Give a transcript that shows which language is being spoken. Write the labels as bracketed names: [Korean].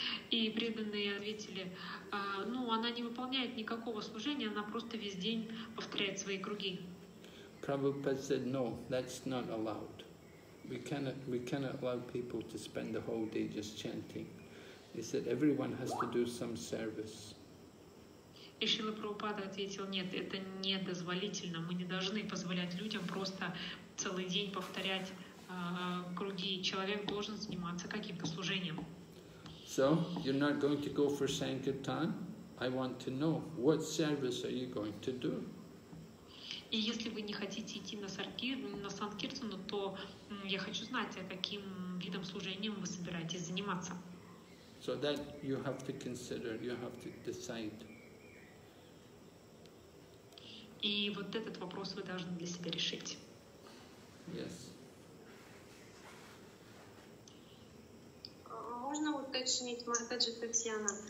[Russian] И преданные ответили, она не выполняет никакого служения, она просто весь день повторяет свои круги. [English] Prabhupada said, no, that's not allowed. We cannot allow people to spend the whole day just chanting. He said, everyone has to do some service. [Russian] И Шрила Прабхупада ответил, нет, это недозволительно. Мы не должны позволять людям просто целый день повторять круги. Человек должен заниматься каким-то служением. [English] So, you're not going to go for Sankirtan? I want to know, what service are you going to do? [Russian] И если вы не хотите идти на Санкиртану, то я хочу знать, каким видом служения вы собираетесь заниматься. [English] So that you have to consider, you have to decide. [Russian] И вот этот вопрос вы должны для себя решить. [English] Yes. [Russian] Можно уточнить, Махараджи Татьяна?